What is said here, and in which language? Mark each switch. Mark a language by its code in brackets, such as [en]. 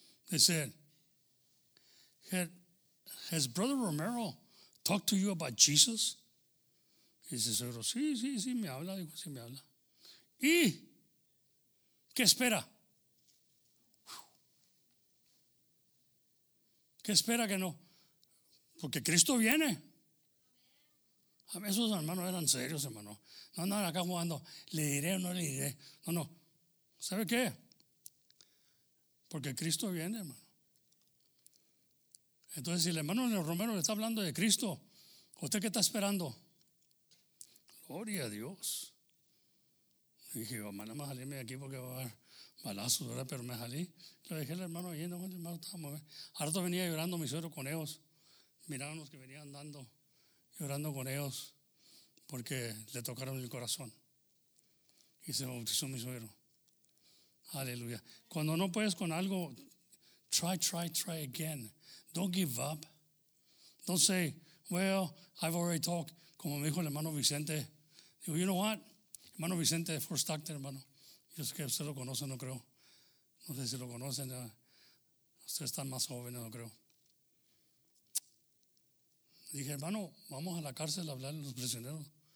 [en] They said, has Brother Romero talked to you about Jesus? [es] Y dice suegro, sí, me habla. Dijo, sí, me habla. ¿Y qué espera? ¿Qué espera que no? Porque Cristo viene. A mí esos hermanos eran serios, hermano. No andan acá jugando, le diré o no le diré. No, no. ¿Sabe qué? Porque Cristo viene, hermano. Entonces, si el hermano Romero le está hablando de Cristo, ¿usted qué está esperando? Gloria a Dios. Y dije, mamá, nada más salíme de aquí porque va a haber balazos, ¿verdad? Pero me salí. Lo dejé el hermano ahí, no, el hermano estaba muy bien. Harto venía llorando mi suegro con ellos. Mirábamos que venía andando, llorando con ellos, porque le tocaron el corazón. Y se bautizó mi suegro. Aleluya. Cuando no puedes con algo, [en] try again. Don't give up. Don't say, well, I've already talked. [es] Como me dijo el hermano Vicente. Digo, [en] you know what? [es] Hermano Vicente de Fort Stockton, hermano. Yo sé que usted lo conoce, no creo. No sé si lo conocen. Ustedes están más jóvenes, no creo. Dije, hermano, vamos a la cárcel a hablar a los prisioneros.